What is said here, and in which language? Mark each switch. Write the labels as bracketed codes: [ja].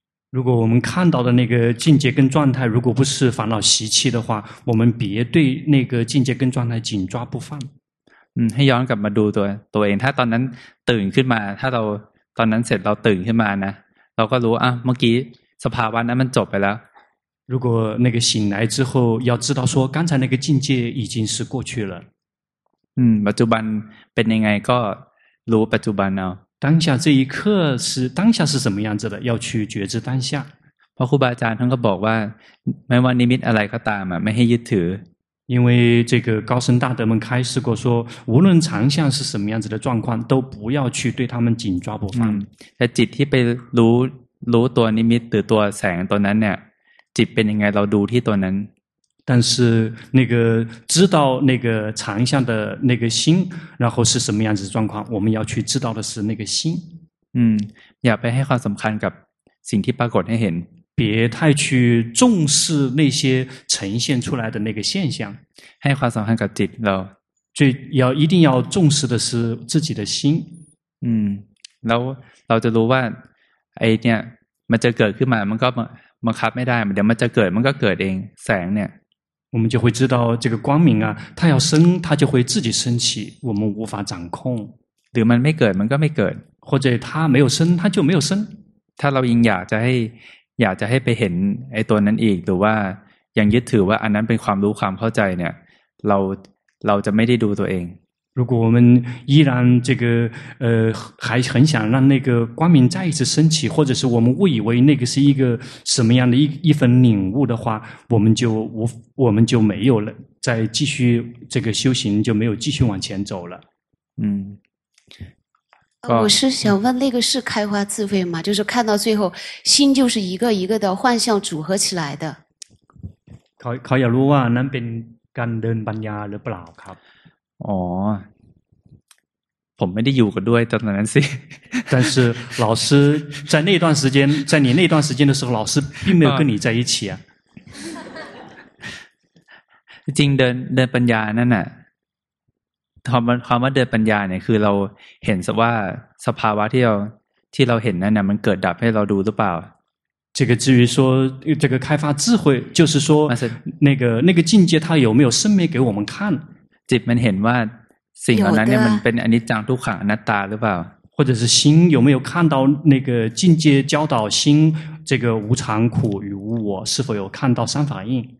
[zh] 如果我们看到的那个境界跟状态如果不是烦恼习气的话我们别对那个境界跟状态紧抓不放 [th] ให้ย้อนกลับมาดูตัวเองถ้าตอนนั้นตื่นขึ้นมาถ้าเราตอนนั้นเสร็จเราตื่นขึ้นมานะเราก็รู้อ่ะเมื่อกี้สภาวะนั้นมันจบไปแล้ว [zh] 如果那个醒来之后要知道说刚才那个境界已经是过去了 [th] ปัจจุบันเป็นยังไงก็รู้ปัจจุบันเอา [zh] 当下这一刻是当下是什么样子的要去觉知当下 [th] เพราะครูบาอาจารย์ท่านก็บอกว่าไม่ว่านิมิตอะไรก็ตามไม่ให้ยึดถือ [zh] 因为这个高僧大德们开示过说无论常相是什么样子的状况都不要去对他们紧抓不放 [th] แต่จิตที่ไปรู้ตัวนิมิตหรือตัวแสงตัวนั้นเนี่ยจิตเป็นยังไงเราดูที่ตัวนั้น [zh] 但是那个知道那个常相的那个心然后是什么样子的状况我们要去知道的是那个心 [th] อย่าไปให้ความสำคัญกับสิ่งที่ปรากฏให้เห็น [zh] 别太去重视那些呈现出来的那个现象 [th] ให้ความสำคัญกับจิตเรา [zh] 最要一定要重视的是自己的心 [th] แล้วเราจะรู้ว่าไอ้เนี่ยมันจะเกิดขึ้นมามันก็บังคับไม่ได้เดี๋ยวมันจะเกิดมันก็เกิดเองแสงเนี่ย [zh] 我们就会知道这个光明啊它要生它就会自己升起我们无法掌控 [th] หรือมันไม่เกิดมันก็ไม่เกิด [zh] 或者它没有生它就没有生 [th] ถ้าเรายังอยากจะให้ไปเห็นไอ้ตัวนั้นอีกหรือว่ายังยึดถือว่าอันนั้นเป็นความรู้ความเข้าใจเนี่ยเราจะไม่ได้ดูตัวเอง [zh] 如果我们依然这个还很想让那个光明再一次升起，或者是我们误以为那个是一个什么样的一份领悟的话，我们就没有了，再继续这个修行就没有继续往前走了。我是想问，那个是开花自费吗？就是看到最后，心就是一个一个的幻象组合起来的。 [th] เขาอยากรู้ว่านั้นเป็นการเดินปัญญาหรือเปล่าครับ ผมไม่ได้อยู่กับด้วยตอนนั้นสิ [zh] 但是老师在那段时间在你那段时间的时候老师并没有跟你在一起啊 [th] จริงเดินปัญญานั่นน่ะความว่าเดินปัญญาเนี่ยคือเราเห็นว่าสภาวะที่เราเห็นนั่นน่ะมันเกิดดับให้เราดูหรือเปล่า [zh] 这个至于说这个开发智慧就是说那个境界它有没有生灭给我们看 [th] จิตมันเห็นว่าสิ่งเหล่านั้นเนี่ยมันเป็นอนิจจังทุกขังอนัตตาหรือเปล่า [zh] 或者是心有没有看到那个境界教导心这个无常苦与无我是否有看到三法印